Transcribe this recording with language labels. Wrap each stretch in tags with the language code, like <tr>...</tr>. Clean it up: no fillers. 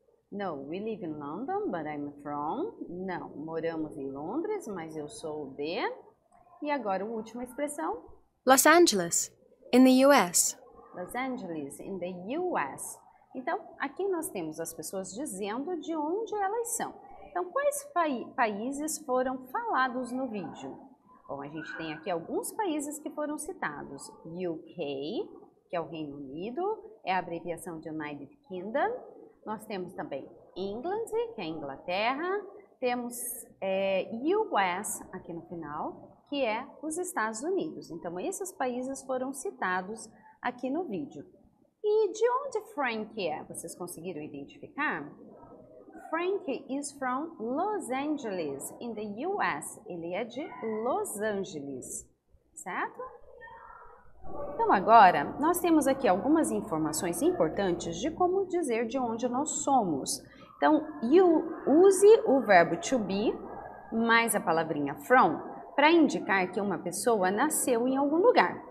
<en>No, we live in London, but I'm from...</en> <pt>Não, moramos em Londres, mas eu sou de... E agora, a última expressão.</pt> <en>Los Angeles, in the US. Los Angeles, in the US.</en> <pt>Então, aqui nós temos as pessoas dizendo de onde elas são. Então, quais países foram falados no vídeo? Bom, a gente tem aqui alguns países que foram citados. UK, que é o Reino Unido, é a abreviação de United Kingdom. Nós temos também England, que é Inglaterra. Temos US, aqui no final, que é os Estados Unidos. Então, esses países foram citados aqui no vídeo. E de onde Frank é? Vocês conseguiram identificar?</pt> <en>Frank is from Los Angeles, in the US.</en> <pt>Ele é de Los Angeles, certo? Então agora, nós temos aqui algumas informações importantes de como dizer de onde nós somos. Então, use o verbo to be mais a palavrinha from para indicar que uma pessoa nasceu em algum lugar.</pt>